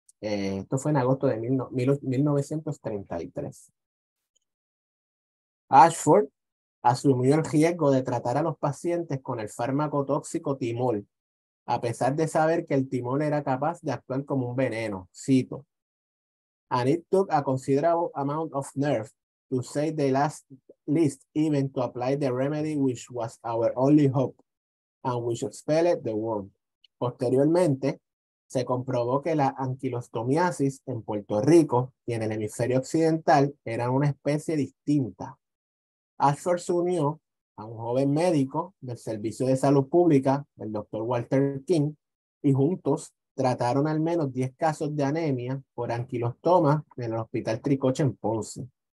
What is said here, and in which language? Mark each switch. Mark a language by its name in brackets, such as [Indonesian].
[Spanish] Esto fue en agosto de 1933. Ashford asumió el riesgo de tratar a los pacientes con el fármaco tóxico timol, a pesar de saber que el timol era capaz de actuar como un veneno. [English] Cito: And it took a considerable amount of nerve to say the last least, even to apply the remedy which was our only hope and which expelled the worm. [Spanish] Posteriormente, se comprobó que la anquilostomiasis en Puerto Rico y en el hemisferio occidental eran una especie distinta. Ashford se unió a un joven médico del Servicio de Salud Pública, el doctor Walter King, y juntos trataron al menos 10 casos de anemia por anquilostoma en el Hospital Tricoche en Ponce.